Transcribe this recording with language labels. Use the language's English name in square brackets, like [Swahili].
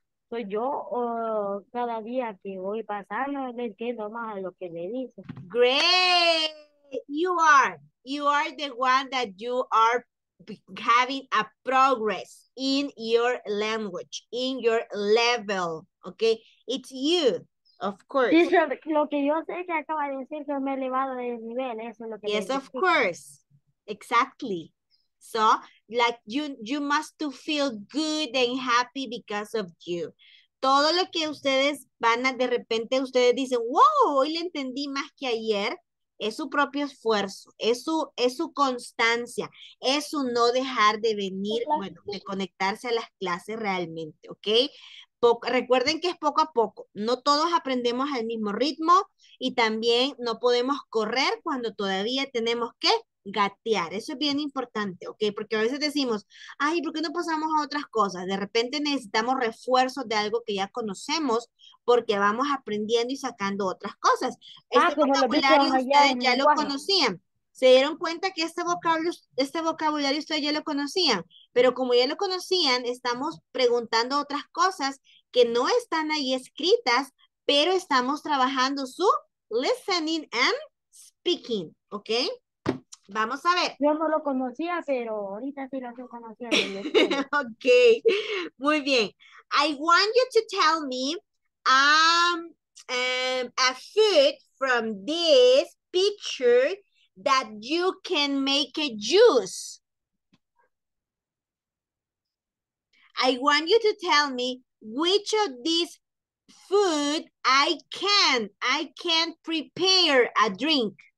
[Spanish] Soy yo, cada día que voy pasando, no entiendo más lo que le dice. [English] Great. You are. You are the one that you are having a progress in your language, in your level, okay? It's you, of course. [Spanish] Eso, lo que yo sé que acaba de decir que me he elevado de nivel, eso es lo que [English] yes, [Spanish] me [English] of dice. Course, exactly. So, like, you must to feel good and happy because of you. [Spanish] Todo lo que ustedes van a, de repente, ustedes dicen, wow, hoy le entendí más que ayer. Es su propio esfuerzo, es su constancia, es su no dejar de venir, bueno, de conectarse a las clases realmente, ¿ok? Recuerden que es poco a poco, no todos aprendemos al mismo ritmo y también no podemos correr cuando todavía tenemos que gatear, eso es bien importante, ¿ok? Porque a veces decimos, ay, ¿por qué no pasamos a otras cosas? De repente necesitamos refuerzos de algo que ya conocemos porque vamos aprendiendo y sacando otras cosas. Este vocabulario ustedes ya lo conocían. ¿Se dieron cuenta que este vocabulario ustedes ya lo conocían? Pero como ya lo conocían, estamos preguntando otras cosas que no están ahí escritas, pero estamos trabajando su [English] listening and speaking, [Spanish] ¿ok? Vamos a ver. Yo no lo conocía, pero ahorita sí lo estoy conociendo. Okay, muy bien. [English] I want you to tell me a food from this picture that you can make a juice. I want you to tell me which of this food I can prepare a drink.